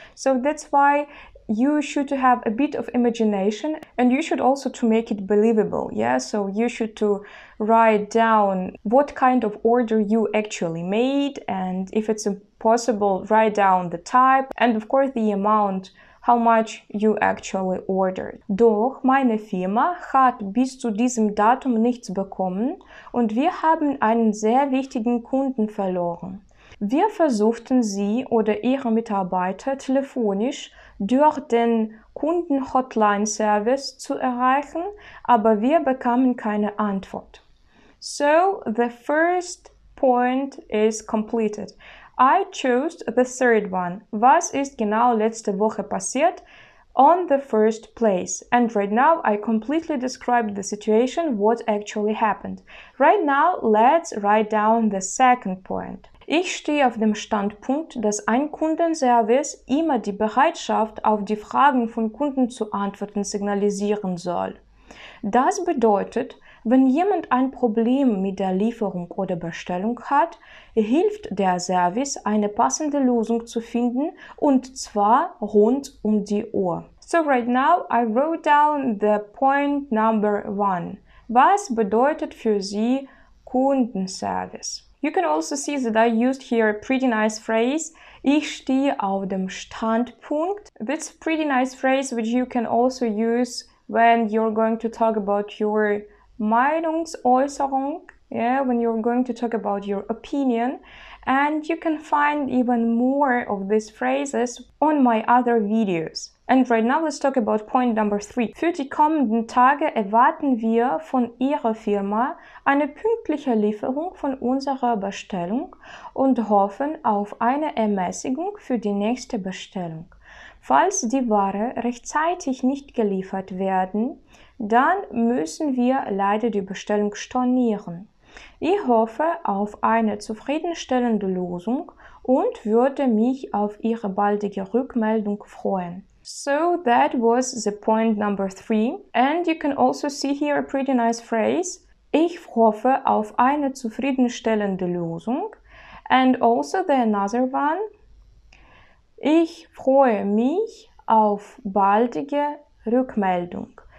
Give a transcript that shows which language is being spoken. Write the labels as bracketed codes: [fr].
[en] So that's why you should have a bit of imagination, and you should also to make it believable. Yeah, so you should to write down what kind of order you actually made, and if it's impossible, write down the type and of course the amount, how much you actually ordered. [de] Doch meine Firma hat bis zu diesem Datum nichts bekommen und wir haben einen sehr wichtigen Kunden verloren. Wir versuchten sie oder ihre Mitarbeiter telefonisch durch den Kunden-Hotline-Service zu erreichen, aber wir bekamen keine Antwort. [en] So, the first point is completed. I chose the third one. [de] Was ist genau letzte Woche passiert? [en] On the first place. And right now I completely described the situation, what actually happened. Right now, let's write down the second point. [de] Ich stehe auf dem Standpunkt, dass ein Kundenservice immer die Bereitschaft, auf die Fragen von Kunden zu antworten, signalisieren soll. Das bedeutet, wenn jemand ein Problem mit der Lieferung oder Bestellung hat, hilft der Service, eine passende Lösung zu finden, und zwar rund um die Uhr. [en] So right now I wrote down the point number one. [de] Was bedeutet für Sie Kundenservice? [en] You can also see that I used here a pretty nice phrase. [de] Ich stehe auf dem Standpunkt. [en] That's a pretty nice phrase which you can also use when you're going to talk about your Meinungsäußerung. Yeah, when you're going to talk about your opinion. And you can find even more of these phrases on my other videos. And right now let's talk about point number three. [de] Für die kommenden Tage erwarten wir von Ihrer Firma eine pünktliche Lieferung von unserer Bestellung und hoffen auf eine Ermäßigung für die nächste Bestellung. Falls die Ware rechtzeitig nicht geliefert werden, dann müssen wir leider die Bestellung stornieren. Ich hoffe auf eine zufriedenstellende Lösung und würde mich auf Ihre baldige Rückmeldung freuen. [en] So that was the point number three. And you can also see here a pretty nice phrase. [de] Ich hoffe auf eine zufriedenstellende Lösung. [en] And also the another one. [de] Ich freue mich auf baldige Rückmeldung.